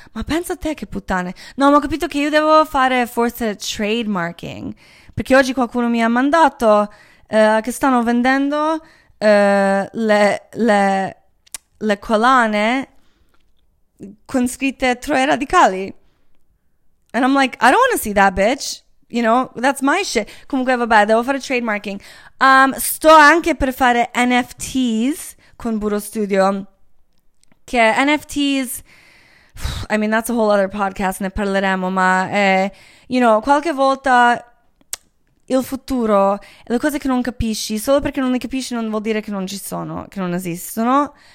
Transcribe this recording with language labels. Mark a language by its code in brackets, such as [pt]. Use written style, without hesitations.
[it] Ma pensa a te che puttane. No, ma ho capito che io devo fare forse trademarking, perché oggi qualcuno mi ha mandato che stanno vendendo le collane con scritte Troie Radicali. [en] And I'm like, I don't want to see that, bitch. You know, that's my shit. [it] Comunque, vabbè, devo fare trademarking. Sto anche per fare NFTs con Buro Studio. Che NFTs, [en] I mean, that's a whole other podcast, [it] ne parleremo, ma, [en] you know, [it] qualche volta il futuro, le cose che non capisci, solo perché non le capisci non vuol dire che non ci sono, che non esistono.